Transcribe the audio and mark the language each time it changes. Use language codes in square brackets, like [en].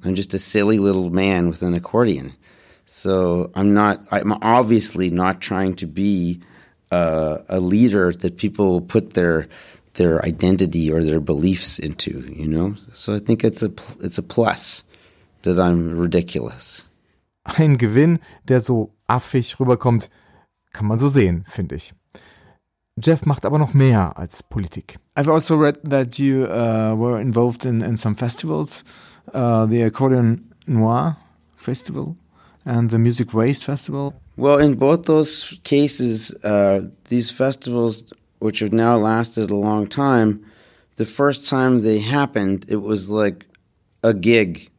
[en] I'm just a silly little man with an accordion. So I'm obviously not trying to be a leader that people put their identity or their beliefs into, you know? So I think it's a plus that I'm ridiculous. [de] Ein Gewinn, der so affig rüberkommt, kann man so sehen, finde ich. Jeff macht aber noch mehr als Politik. [en] I've also read that you were involved in some festivals, the Accordion Noir Festival and the Music Waste Festival. Well, in both those cases, these festivals, which have now lasted a long time, the first time they happened, it was like a gig.